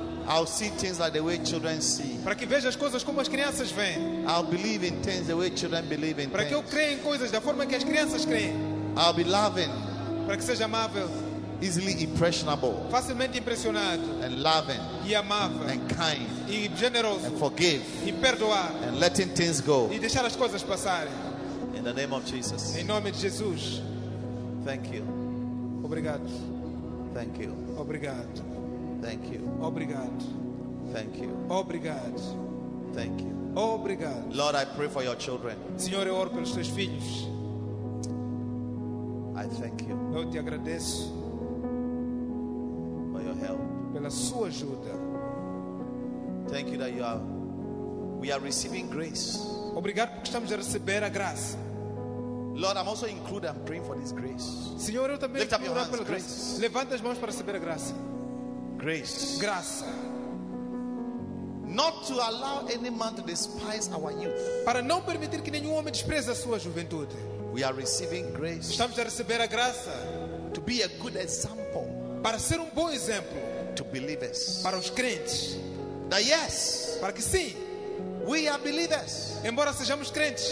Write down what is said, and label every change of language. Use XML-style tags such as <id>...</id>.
<en>I'll see things like the way children see.</en> <pt>Para que veja as coisas como as crianças veem.</pt> <en>I'll believe in things the way children believe in.</en> <pt>Para que eu creia em coisas da forma que as crianças creem.</pt> <en>I'll be loving.</en> <pt>Para que seja amável.</pt> <en>Easily impressionable.</en> <pt>Facilmente impressionado.</pt> <en>And loving.</en> <pt>E amável.</pt> <en>And kind.</en> <pt>E generoso.</pt> <en>And forgive.</en> <pt>E perdoar.</pt> <en>And letting things go.</en> <pt>E deixar as coisas passarem.</pt> <en>In the name of Jesus.</en> <pt>Em nome de Jesus.</pt> <en>Thank you.</en> <pt>Obrigado.</pt> <en>Thank you.</en> <pt>Obrigado.</pt> <en>Thank you.</en> <pt>Obrigado.</pt> <en>Thank you.</en> <pt>Obrigado.</pt> <en>Thank you.</en> <pt>Obrigado.</pt> <en>Lord, I pray for your children.</en> <pt>Senhor, eu oro pelos teus filhos.</pt> <en>I thank you.</en> <pt>Eu te agradeço.</pt> <en>For your help.</en> <pt>Pela sua ajuda.</pt> <en>Thank you that you are. We are receiving grace.</en> <pt>Obrigado porque estamos a receber a graça.</pt> <en>Lord, I'm also included. I'm praying for this grace.</en> <pt>Senhor, eu também estou orando pela graça. Levanta as mãos para receber a graça.</pt> <en>Grace.</en> <pt>Graça.</pt> <en>Not to allow any man to despise our youth.</en> <pt>Para não permitir que nenhum homem despreze a sua juventude.</pt> <en>We are receiving grace.</en> <pt>Estamos a receber a graça.</pt> <en>To be a good example.</en> <pt>Para ser bom exemplo.</pt> <en>To believers.</en> <pt>Para os crentes.</pt> <en>That yes.</en> <pt>Para que sim.</pt> <en>We are believers.</en> <pt>Embora sejamos crentes.</pt>